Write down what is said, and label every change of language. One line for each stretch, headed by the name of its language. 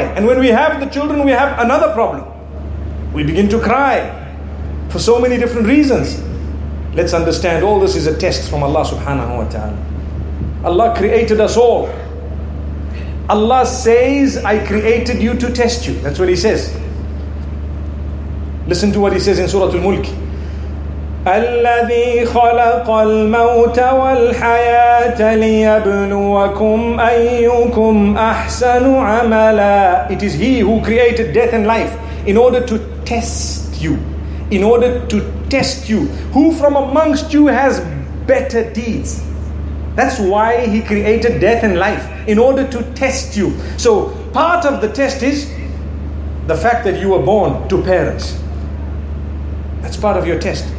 English: And when we have the children, we have another problem. We begin to cry for so many different reasons. Let's understand, all this is a test from Allah subhanahu wa ta'ala. Allah created us all. Allah says, I created you to test you. That's what He says. Listen to what He says in Surah Al-Mulk.
Arabic: الذي خلق الموت والحياة ليبلوكم أيكم أحسن عملا.
English: It is He who created death and life in order to test you. In order to test you. Who from amongst you has better deeds? That's why He created death and life, in order to test you. So part of the test is the fact that you were born to parents. That's part of your test.